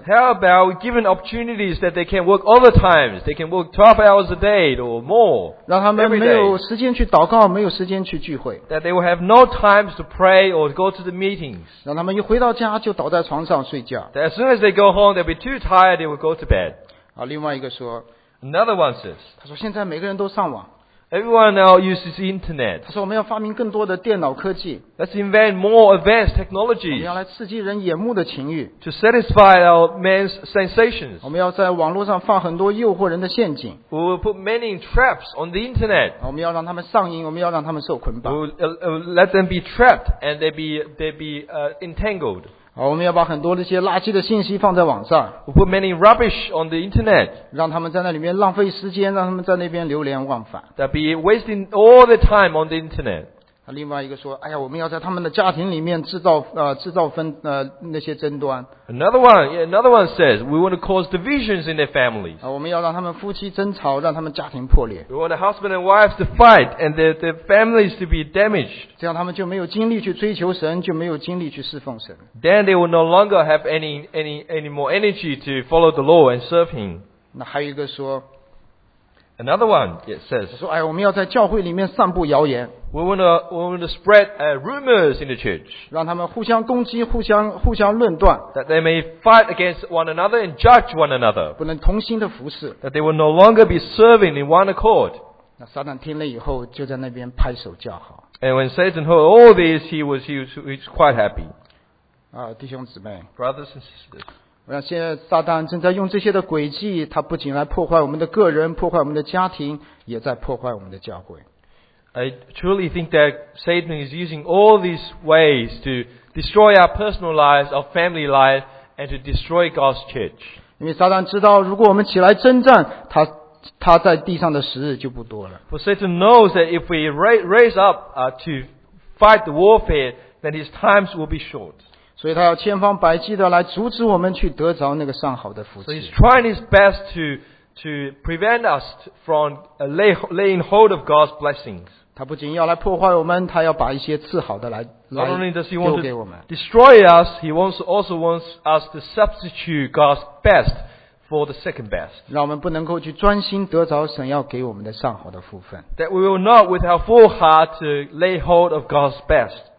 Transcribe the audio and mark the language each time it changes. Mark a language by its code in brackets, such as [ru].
[en] How about we give them opportunities that they can work overtime? They can work 12 hours a day or more. [zh] 让他们没有时间去祷告，没有时间去聚会。 [en] That they will have no time to pray or go to the meetings. [zh] 让他们一回到家就倒在床上睡觉。 [en] That as soon as they go home, they'll be too tired. They will go to bed. [zh] 另外一个说。 [en] Another one says. [zh] 他说现在每个人都上网。 [en] Everyone now uses the internet. [zh] 他说我们要发明更多的电脑科技。 [en] Let's invent more advanced technologies. [zh] 我们要来刺激人眼目的情欲。 [en] To satisfy our man's sensations. [zh] 我们要在网络上放很多诱惑人的陷阱。 [en] We will put many traps on the internet. [zh] 我们要让他们上瘾，我们要让他们受捆绑。 [en] Let them be trapped and they be entangled. [zh] 我们要把很多那些垃圾的信息放在网上。 [en] We put many rubbish on the internet. [zh] 让他们在那里面浪费时间，让他们在那边流连忘返。 [en] They'll be wasting all the time on the internet. [zh] 另外一个说，哎呀，我们要在他们的家庭里面制造那些争端。 [en] Another one says, we want to cause divisions in their families. [zh] 我们要让他们夫妻争吵，让他们家庭破裂。 [en] We want the husband and wives to fight and their families to be damaged. [zh] 这样他们就没有精力去追求神，就没有精力去侍奉神。 [en] Then they will no longer have any more energy to follow the Lord and serve him. [zh] 那还有一个说。 [en] Another one, it says, [zh] 说哎，我们要在教会里面散布谣言。 [en] We want to spread rumors in the church. [zh] 让他们互相攻击，互相论断。 [en] That they may fight against one another and judge one another. [zh] 不能同心的服侍。 [en] That they will no longer be serving in one accord. [zh] 那撒旦听了以后就在那边拍手叫好。 [en] And when Satan heard all this, he was quite happy. [zh] 啊，弟兄姊妹。 [en] Brothers and sisters. [zh] 那现在撒旦正在用这些的诡计，他不仅来破坏我们的个人，破坏我们的家庭，也在破坏我们的教会。 [en] I truly think that Satan is using all these ways to destroy our personal lives, our family life, and to destroy God's church. [zh] 因为撒旦知道，如果我们起来征战，他在地上的时日就不多了。 [en] For Satan knows that if we raise up to fight the warfare, then his times will be short. [zh] 所以他要千方百计的来阻止我们去得着那个上好的福气。 [en] So he's trying his best to prevent us from laying hold of God's blessings. [zh] 他不仅要来破坏我们，他要把一些次好的来丢给我们。 [en] Not only does he want to destroy us, he also wants us to substitute God's best for the second best. [zh] 让我们不能够去专心得着神要给我们的上好的福分。 [en] That we will not with our full heart to lay hold of God's best.